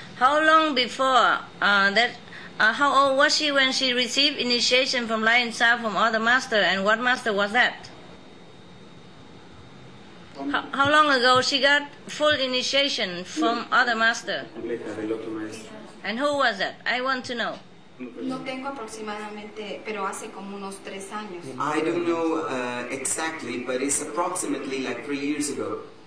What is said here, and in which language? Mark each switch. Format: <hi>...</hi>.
<en>How long before how old was she when she received initiation from Lion Sa from other master, and what master was that? How long ago she got full initiation from other master? And who was that? I want to know.</en> <es>No tengo aproximadamente, pero hace como unos 3 años.</es> <en>I don't know exactly, but it's approximately like 3 years ago.</en>